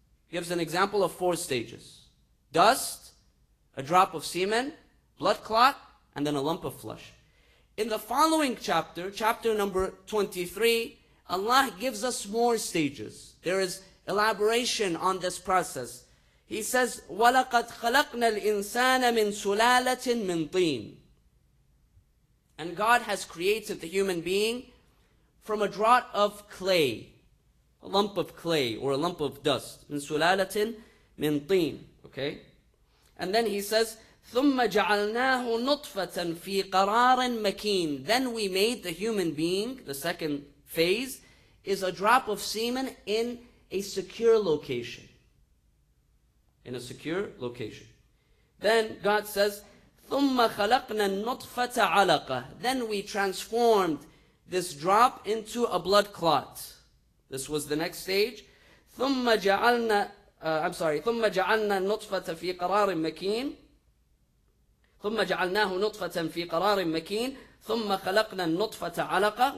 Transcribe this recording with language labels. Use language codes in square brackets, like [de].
[en] He gives an example of four stages. Dust, a drop of semen, blood clot, and then a lump of flesh. In the following chapter, chapter number 23, Allah gives us more stages. There is elaboration on this process. He says, [ar] وَلَقَدْ خَلَقْنَا الْإِنسَانَ مِنْ سُلَالَةٍ مِنْ طِينٍ. [en] And God has created the human being from a draught of clay, a lump of clay or a lump of dust. [ar] مِنْ سُلَالَةٍ مِنْ طِينٍ. [en] Okay? And then he says, [ar] ثُمَّ جَعَلْنَاهُ نُطْفَةً فِي قَرَارٍ مَكِينٍ. [en] Then we made the human being, the second phase, is a drop of semen in a secure location. In a secure location. Then God says, [ar] ثُمَّ خَلَقْنَا النُّطْفَةَ عَلَقَةً. [en] Then we transformed this drop into a blood clot. This was the next stage. [ar] ثُمَّ جَعَلْنَا ثُمَّ جَعَلْنَا النُّطْفَةَ فِي قَرَارٍ مَكِينٍ. ثُمَّ جَعَلْنَاهُ نُطْفَةً فِي قَرَارٍ مَكِينٍ. ثُمَّ خَلَقْنَا النُّطْفَةَ عَلَقَةً.